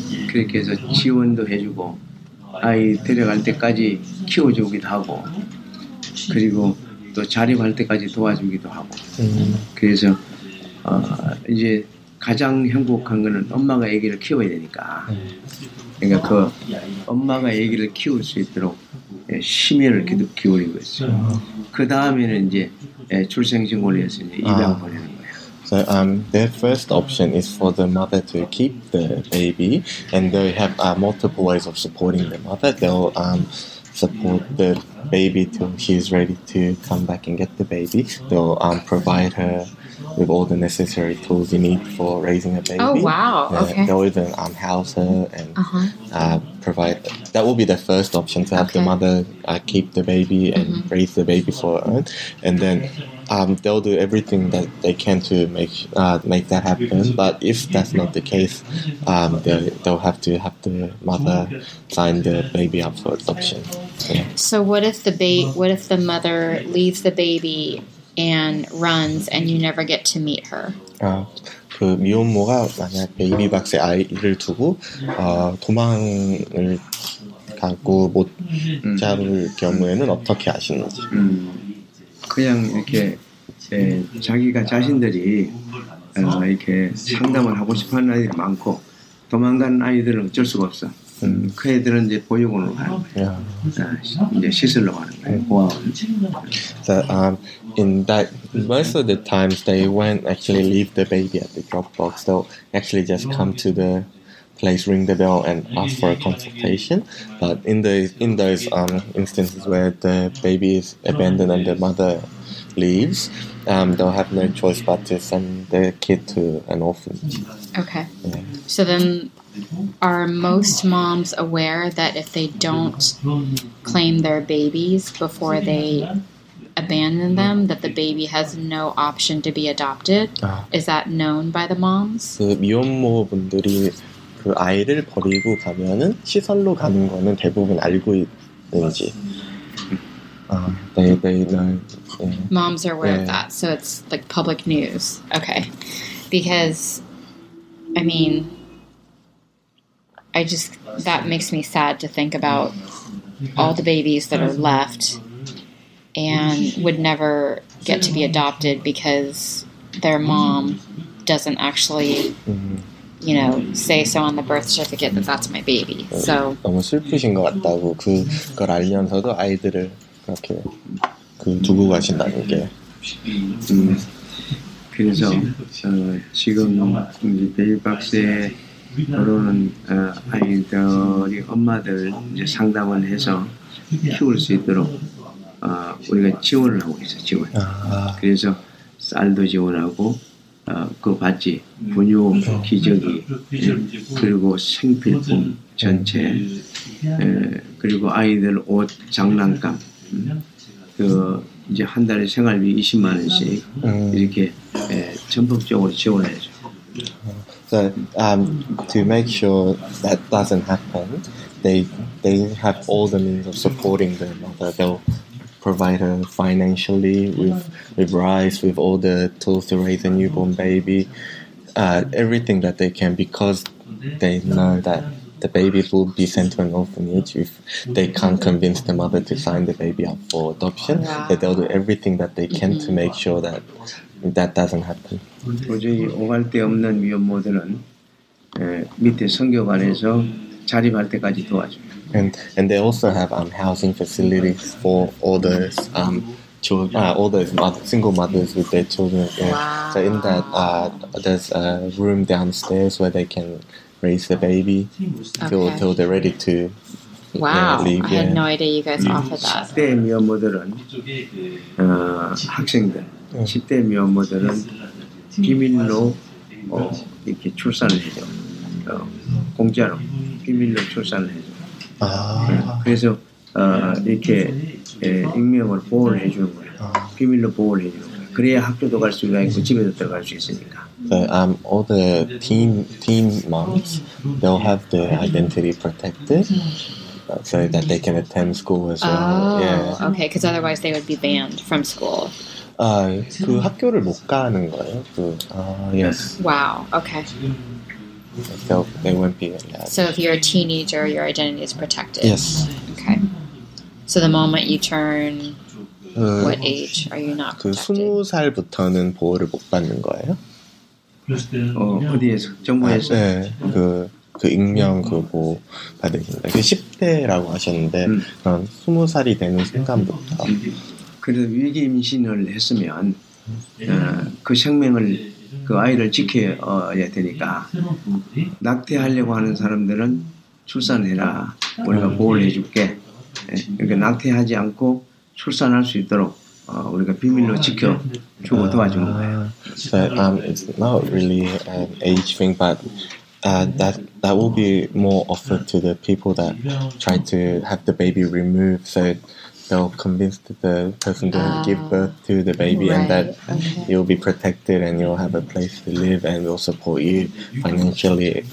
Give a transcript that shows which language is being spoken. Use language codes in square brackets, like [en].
[ko] 그렇게 해서 지원도 해주고 아이 데려갈 때까지 키워주기도 하고 그리고 또 자립할 때까지 도와주기도 하고 그래서 이제 가장 행복한 거는 엄마가 아기를 키워야 되니까 그러니까 그 엄마가 아기를 키울 수 있도록 심혈을 기울이고 있어요. 그 다음에는 이제 출생신고를 해서 이제 입양을 하는 거예요. [en] So their first option is for the mother to keep the baby, and they have multiple ways of supporting the mother. They'll support the baby till he's ready to come back and get the baby. They'll provide her with all the necessary tools you need for raising a baby. Oh, wow. Okay. They'll even house her and provide... That will be their first option, to have the mother keep the baby and raise the baby for her. And then they'll do everything that they can to make that happen. But if that's not the case, they'll have to have the mother sign the baby up for adoption. Yeah. So what if the mother leaves the baby and runs and you never get to meet her? [ko] 그 미혼모가 만약 베이비 박스에 아이를 두고 도망을 가고 못 잡을 경우에는 어떻게 하시는지? 그냥 이렇게 자기가 자신들이 이렇게 상담을 하고 싶은 아이들이 많고 도망간 아이들은 어쩔 수가 없어. 그 애들은 이제 보육원으로 가는 거예요. 이제 시설로 가는 거예요. [en] In that, most of the times they won't actually leave the baby at the drop box. They'll actually just come to the place, ring the bell, and ask for a consultation. But in those instances where the baby is abandoned and the mother leaves, they'll have no choice but to send their kid to an orphanage. Okay. Yeah. So then, are most moms aware that if they don't claim their babies before they abandon them, that the baby has no option to be adopted? Is that known by the moms? [ko] 그 미혼모분들이 그 아이를 버리고 가면은 시설로 가는 거는 대부분 알고 있는지. [en] They know. Yeah. Moms are aware of that, so it's like public news. Okay. Because, I mean, I just, that makes me sad to think about all the babies that are left and would never get to be adopted because their mom doesn't actually, you know, say so on the birth certificate that that's my baby. So [ko] 너무 슬프신 것 같다고 그걸 알면서도 아이들을 그렇게 그 두고 가신다는 게. 그래서 지금 이제 베이박스에 들어오는 아이들이 엄마들 이제 상담을 해서 키울 수 있도록. 우리가 지원을 하고 있어 지원. 그래서 쌀도 지원하고 그 바지, 분유, 기저귀 그리고 생필품 전체 그리고 아이들 옷, 장난감 그 이제 한 달에 생활비 20만 원씩 이렇게 전폭적으로 지원해줘. [en] So to make sure that doesn't happen, they have all the means of supporting the mother. Provide her financially with rice, with all the tools to raise a newborn baby, everything that they can, because they know that the baby will be sent to an orphanage. If they can't convince the mother to sign the baby up for adoption, that they'll do everything that they can to make sure that that doesn't happen. [ko] 도저히 오갈 데 없는 미혼모들은 밑에 선교관에서 자립할 때까지 도와줘요. [en] And they also have housing facilities for all those single mothers with their children. Yeah. Wow. So in that there's a room downstairs where they can raise the baby till they're ready to leave. Wow, I had no idea you guys offered that. [ko] 10대 미혼모들은 학생들, 10대 미혼모들은 비밀로 이렇게 출산을 해줘. 공짜로 비밀로 출산을 해줘. 그래서 이렇게 예, 익명을 보호를 해주는 거예요. 비밀로 보호를 해주는 거예요. 그래야 학교도 갈 수 있고 집에도 들어갈 수 있으니까. [en] All the teen moms, they'll have their identity protected so that they can attend school as well. Oh, yeah. Okay, because otherwise they would be banned from school. [ko] 아, 그 학교를 못 가는 거예요? 그, 아, [en] yes. Wow, okay. So they won't be allowed. So if you're a teenager, your identity is protected? Yes. Okay. So the moment you turn, what age are you not protected? [ko] 그 20살부터는 보호를 못 받는 거예요? 어, 어디에서? 정부에서? 아, 네, 그 익명 그 보호 받으신다. 그 10대라고 하셨는데, 그럼 20살이 되는 순간부터. 그래도 위기 임신을 했으면, 그 생명을, 그 아이를 지켜야 되니까, 낙태하려고 하는 사람들은 출산해라. 우리가 보호를 해줄게. 그러니까 낙태하지 않고 출산할 수 있도록. 우리가 비밀로 지켜주고 도와주는 거예요. [en] So it's not really an age thing, but that will be more offered to the people that try to have the baby removed. So they'll convince the person to give birth to the baby, right, and that okay. you'll be protected, and you'll have a place to live, and we'll support you financially.